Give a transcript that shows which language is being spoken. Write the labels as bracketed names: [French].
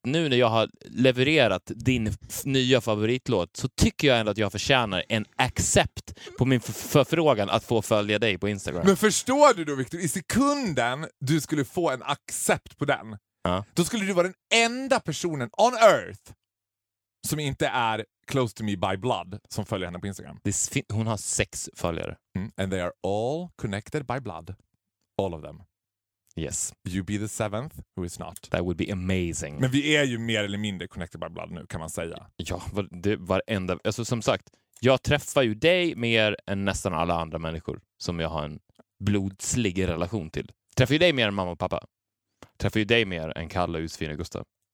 [Swedish] Nu när jag har levererat din nya favoritlåt så tycker jag ändå att jag förtjänar en accept på min förfrågan att få följa dig på Instagram. Men förstår du då, Victor? I sekunden du skulle få en accept på den, då skulle du vara den enda personen [English] on earth [Swedish] som inte är [English] close to me by blood [Swedish] som följer henne på Instagram. Hon har 6 följare. Mm. [English] And they are all connected by blood. All of them. Yes. You be the 7th who is not. That would be amazing. [Swedish] Men vi är ju mer eller mindre [English] connected by blood [Swedish] nu, kan man säga. Ja, det var enda... Alltså som sagt, jag träffar ju dig mer än nästan alla andra människor som jag har en blodslig relation till. Träffar ju dig mer än mamma och pappa. Träffar ju dig mer än Kalle, Usfin och Gustav.